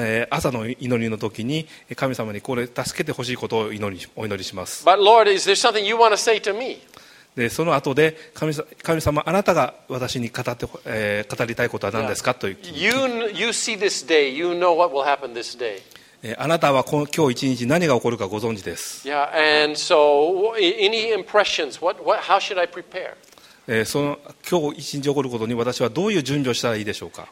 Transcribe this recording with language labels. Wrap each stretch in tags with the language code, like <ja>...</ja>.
<ja>朝の祈りの時に神様にこれ助けてほしいことを祈りお祈りします。</ja> <en>But Lord, is there something you want to say to me?</en> <ja>でその後で神様あなたが私に語りたいことは何ですかという。</ja> <en>You see this day. You know what will happen this day.</en> <ja>あなたは今日一日何が起こるかご存知です。</ja> <en>Yeah, and so any impressions? What? How should I prepare?</en> <ja>その今日一日起こることに私はどういう準備をしたらいいでしょうか。</ja>